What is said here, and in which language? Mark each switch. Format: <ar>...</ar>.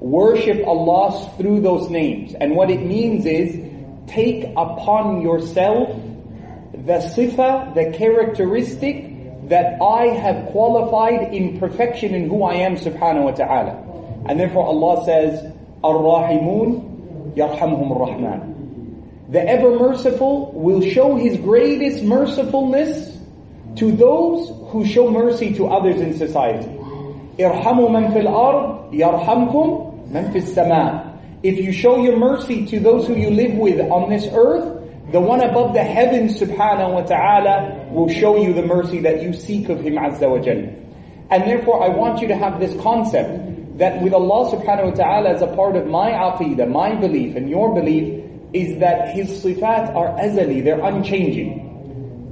<en>Worship Allah through those names. And what it means is, take upon yourself the sifa, the characteristic that I have qualified in perfection in who I am, subhanahu wa ta'ala. And therefore Allah says, الرحمون يرحمهم الرحمن. The ever-merciful will show his greatest mercifulness to those who show mercy to others in society.</en> <ar>ارحموا من في الأرض يرحمكم من في السماء.</ar> <en>If you show your mercy to those who you live with on this earth, the one above the heavens, subhanahu wa ta'ala, will show you the mercy that you seek of him Azza wa Jalla. And therefore I want you to have this concept that with Allah subhanahu wa ta'ala as a part of my aqidah, my belief and your belief, is that his sifat are azali, they're unchanging.</en>